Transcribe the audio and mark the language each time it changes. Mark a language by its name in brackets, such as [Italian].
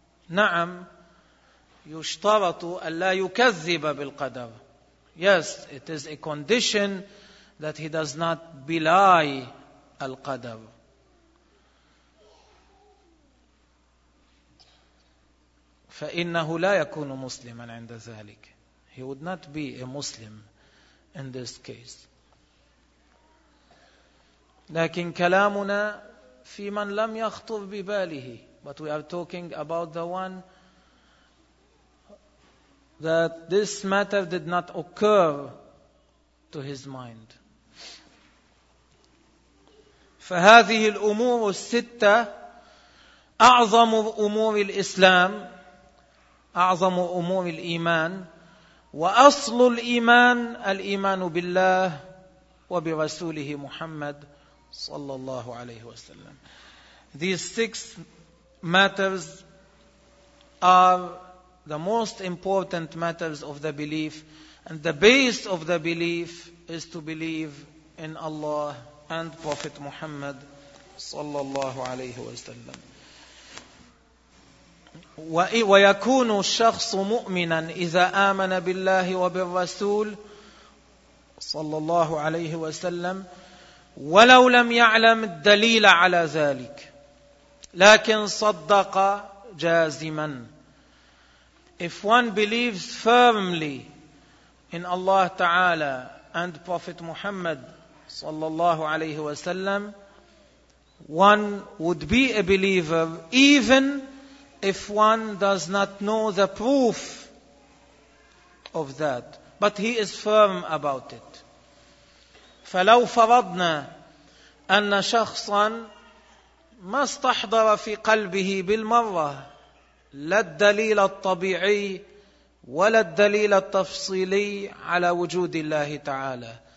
[Arabic] Na'am. يشترط ألا يكذب بالقدر. [English] Yes, it is a condition that he does not belie al-qadr. [Arabic] فإنه لا يكون مسلما عند ذلك. [English] He would not be a Muslim in this case. [Arabic] لكن كلامنا في من لم يخطر بباله. [English] But we are talking about the one that this matter did not occur to his mind. [Arabic] فهذه الأمور الستة أعظم أمور الإسلام أعظم أمور الإيمان وأصل الإيمان الإيمان بالله وبرسوله محمد صلى الله عليه وسلم. [English] These six matters are the most important matters of the belief, and the base of the belief is to believe in Allah and Prophet Muhammad sallallahu alayhi wa sallam. [Arabic] ويكون الشخص مؤمنا إذا آمن بالله وبالرسول صلى الله عليه وسلم ولو لم يعلم الدليل على ذلك لكن صدق جازما. [English] If one believes firmly in Allah Ta'ala and Prophet Muhammad sallallahu alayhi wa sallam, one would be a believer even if one does not know the proof of that. But he is firm about it. [Arabic] فَلَوْ فَرَضْنَا أَنَّ شَخْصًا مَا اسْتَحْضَرَ فِي قَلْبِهِ بِالْمَرَّةِ لا الدليل الطبيعي ولا الدليل التفصيلي على وجود الله تعالى